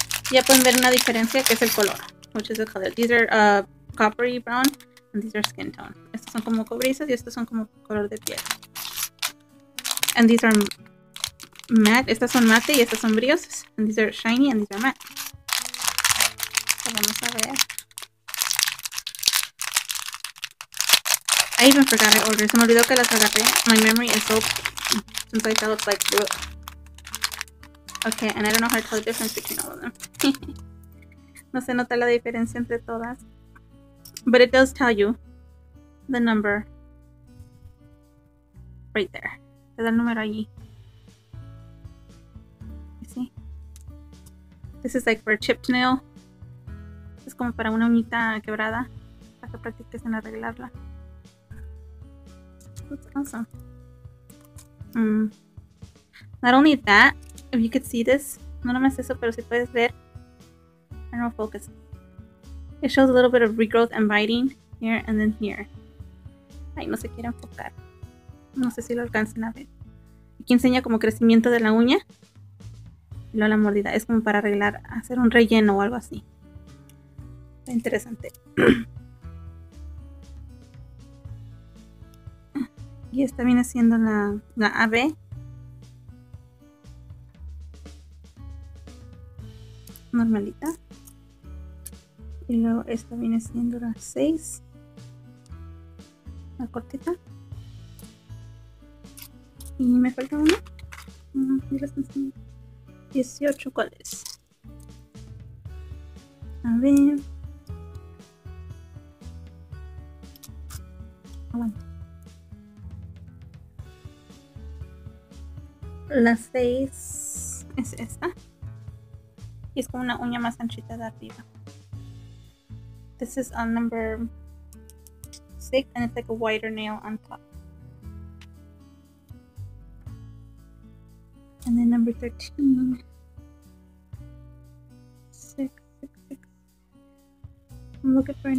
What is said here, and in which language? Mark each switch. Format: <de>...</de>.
<es>Ya pueden ver una diferencia, que es el color.</es> <en>Which is the color. These are coppery brown, and these are skin tone.</en> <es>Estos son como cobrizos, y estos son como color de piel.</es> <en>And these are matte.</en> <es>Estas son mate, y estas son brillos.</es> <en>And these are shiny, and these are matte.</en> <es>So vamos a ver.</es> <en>I even forgot I ordered.</en> <es>Se me olvidó que las agarré.</es> <en>My memory is so... Since I tell it's like... Ugh. Okay, and I don't know how to tell the difference between all of them.</en> <es>No se nota la diferencia entre todas.</es> <en>But it does tell you the number right there.</en> <es>Te da el número allí.</es> <en>You see? This is like for a chipped nail.</en> <es>Es como para una uñita quebrada. Para que practiques en arreglarla.</es> <en>That's awesome. Not only that, if you could see this,</en> <es>no nomás eso, pero si puedes ver,</es> <en>I don't know, focus. It shows a little bit of regrowth and biting here and then here.</en> <es>Ay, no se quiere enfocar. No sé si lo alcancen a ver. Aquí enseña como crecimiento de la uña y luego la mordida. Es como para arreglar, hacer un relleno o algo así. Interesante. Y esta viene siendo la AB. Normalita. Y luego esta viene siendo la 6. La cortita. Y me falta una. Y la están siendo 18, ¿cuál es? A ver. Aguanta. La 6 es esta. Y es como una uña más anchita de arriba.</es> <en>This is a number 6 and it's like a wider nail on top. And then number 13. 6, 6, 6. I'm looking for it.</en>